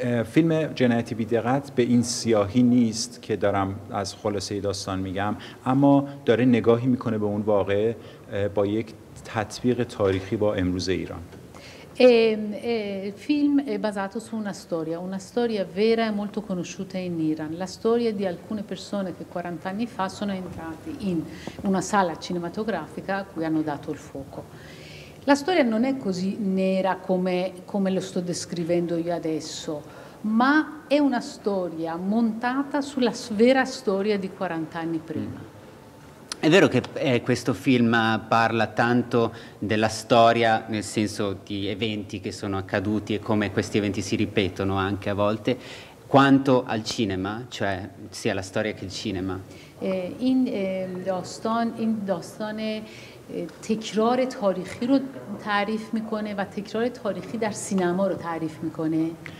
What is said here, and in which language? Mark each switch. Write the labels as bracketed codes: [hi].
[fa] فیلم جنایتی بیدقت به این سیاهی نیست که دارم از خلاصه داستان میگم، اما داره نگاهی میکنه به اون واقعه با یک تطبیق تاریخی با امروز ایران. [it] Il film è basato su una storia vera e molto conosciuta in Iran, la storia di alcune persone che 40 anni fa sono entrate in una sala cinematografica a cui hanno dato il fuoco. La storia non è così nera come lo sto descrivendo io adesso, ma è una storia montata sulla vera storia di 40 anni prima. È vero che questo film parla tanto della storia, nel senso di eventi che sono accaduti e come questi eventi si ripetono anche a volte, quanto al cinema, cioè sia la storia che il cinema. [fa] این داستان تکرار تاریخی رو تعریف میکنه و تکرار تاریخی در سینما رو تعریف میکنه.